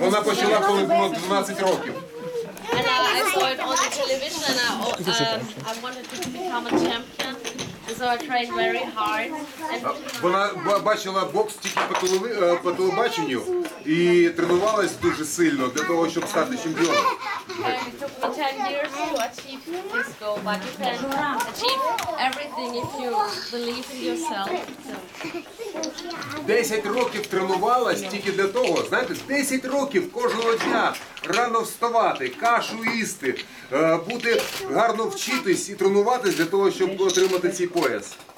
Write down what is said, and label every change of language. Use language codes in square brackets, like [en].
[uk] Вона почала, коли було 12 років. [en] And I saw it on the television and I wanted to become a champion. So I tried very hard. [uk] Вона бачила бокс тільки по телебаченню і тренувалась дуже сильно для того, щоб стати чемпіоном. [en] took me 10 years to achieve this goal, but you can achieve everything if you believe in yourself. So. [uk] 10 років тренувалась тільки для того, знаєте, 10 років кожного дня рано вставати, кашу їсти, бути гарно вчитись і тренуватись для того, щоб отримати цей пояс.